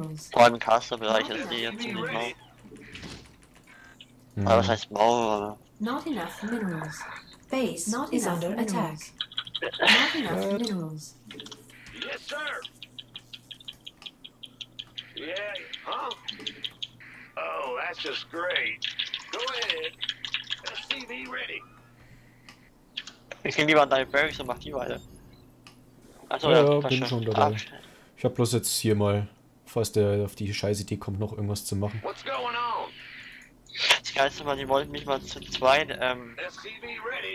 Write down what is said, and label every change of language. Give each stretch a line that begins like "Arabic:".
German: Vor allem im Caster-Bereich ist die ja ziemlich mau. Aber was heißt mau, oder?
English: Not enough minerals. Base not is under attack. Not enough minerals. Yes, sir. Yeah, huh? Oh, that's just great. Go ahead. SCV ready.
German: Ich geh lieber an deine Barracks und mach die weiter. Also ja, bin schon dabei. Ach. Ich hab bloß jetzt hier mal, falls der auf die scheiße Idee kommt, noch irgendwas zu machen.
English: What's going on?
German: Das geilste Mal, die wollten mich mal zu zweit,
English: SCV ready.